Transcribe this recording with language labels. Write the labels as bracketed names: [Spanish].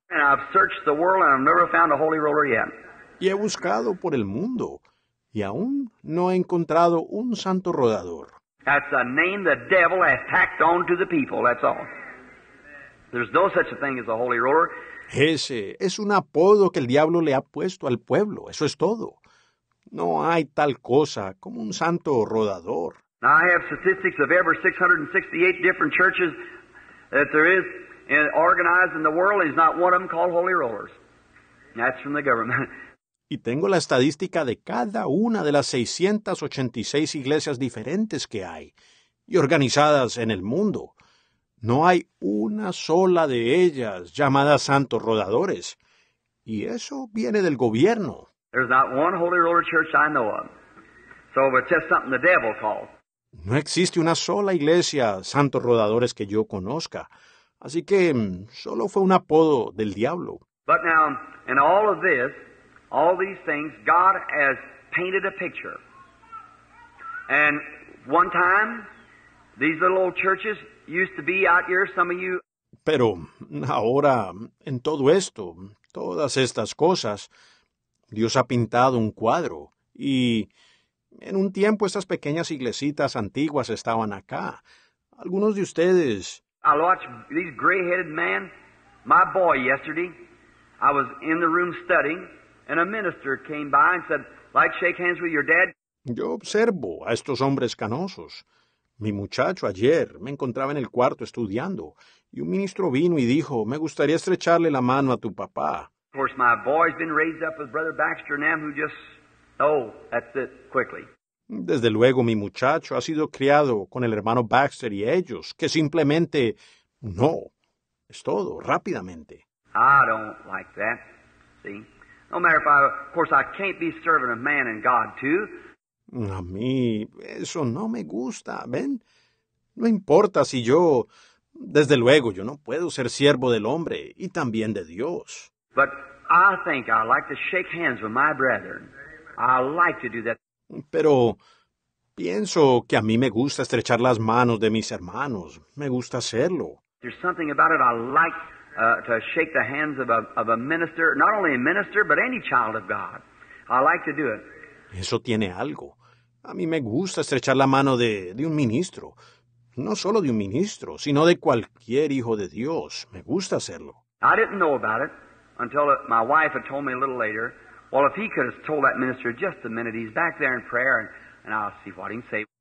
[English] And I've searched the world and I've never found a holy roller yet. [Spanish] Y he buscado por el mundo, y aún no he encontrado un santo rodador. [English] That's a name the devil has tacked on to the people, that's all. There's no such a thing as a holy roller. [Spanish] Ese es un apodo que el diablo le ha puesto al pueblo, eso es todo. No hay tal cosa como un santo rodador. [English] Now I have statistics of every 668 different churches that there is organized in the world, is not one of them called holy rollers. That's from the government. [Spanish] Y tengo la estadística de cada una de las 686 iglesias diferentes que hay y organizadas en el mundo. No hay una sola de ellas llamada Santos Rodadores. Y eso viene del gobierno. [English] There's not one holy roller church I know of. So it's just something the devil called. [Spanish] No existe una sola iglesia Santos Rodadores que yo conozca. Así que solo fue un apodo del diablo. [English] But now, in all of this, all these things, God has painted a picture. And one time, these little old churches used to be out here, some of you. [Spanish] Pero ahora, en todo esto, todas estas cosas, Dios ha pintado un cuadro. Y en un tiempo, estas pequeñas iglesitas antiguas estaban acá. Algunos de ustedes. [English] I watched these gray-headed men, my boy, yesterday. I was in the room studying. And a minister came by and said, like shake hands with your dad. [Spanish] Yo observo a estos hombres canosos. Mi muchacho ayer me encontraba en el cuarto estudiando. Y un ministro vino y dijo, me gustaría estrecharle la mano a tu papá. [English] Of course, my boy's been raised up with Brother Baxter Nam, who just, oh, that's it, quickly. [Spanish] Desde luego, mi muchacho ha sido criado con el hermano Baxter y ellos, que simplemente, no, es todo, rápidamente. [English] I don't like that, see. No matter if I, of course, I can't be serving a man and God too. [Spanish] A mí eso no me gusta, ¿ven? No importa si yo... Desde luego, yo no puedo ser siervo del hombre y también de Dios. [English] But I think I'd like to shake hands with my brethren. I'd like to do that. [Spanish] Pero pienso que a mí me gusta estrechar las manos de mis hermanos. Me gusta hacerlo. [English] There's something about it I like to shake the hands of a minister, not only a minister, but any child of God. I like to do it. [Spanish] Eso tiene algo. A mí me gusta estrechar la mano de un ministro. No solo de un ministro, sino de cualquier hijo de Dios. Me gusta hacerlo. [English] I didn't know about it until my wife had told me a little later. Well, if he could have told that minister just a minute, he's back there in prayer, and I'll see what he can say.